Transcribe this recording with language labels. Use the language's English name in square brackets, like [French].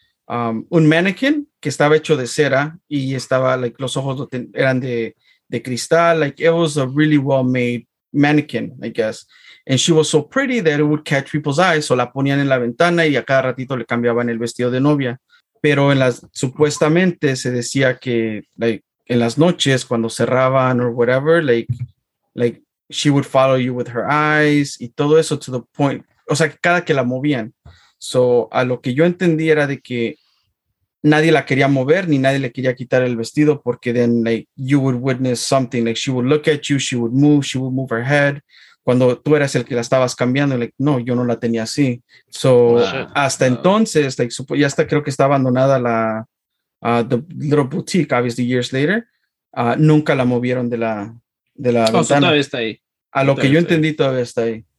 [Spanish] un mannequin que estaba hecho de cera y estaba, like, los ojos eran de cristal. [English] Like, it was a really well-made mannequin, I guess. And she was so pretty that it would catch people's eyes. [Spanish] So la ponían en la ventana y a cada ratito le cambiaban el vestido de novia. Pero supuestamente se decía que, like, en las noches cuando cerraban [English] or whatever, like she would follow you with her eyes [Spanish] y todo eso [English] to the point. [Spanish] O sea, cada que la movían. So, a lo que yo entendí era de que nadie la quería mover ni nadie le quería quitar el vestido porque [English] then, like, you would witness something. Like, she would look at you, she would move her head. [Spanish] Cuando tú eras el que la estabas cambiando, like, no, yo no la tenía así. So, hasta entonces, like, ya hasta creo que está abandonada la [English] the little boutique, obviously, years later. [Spanish] Nunca la movieron de la ventana. Oh, todavía está ahí. A lo que yo entendí, todavía está ahí.